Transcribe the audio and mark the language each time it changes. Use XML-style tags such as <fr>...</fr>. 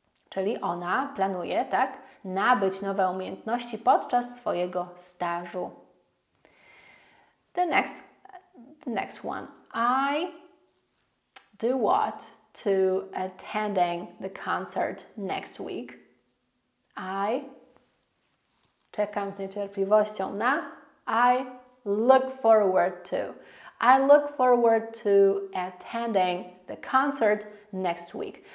<pl>Czyli ona planuje, tak, nabyć nowe umiejętności podczas swojego stażu.</pl> <en>The next one. I do what to attending the concert next week?</en> <pl>I czekam z niecierpliwością na.</pl> <en>I look forward to attending the concert next week.</en>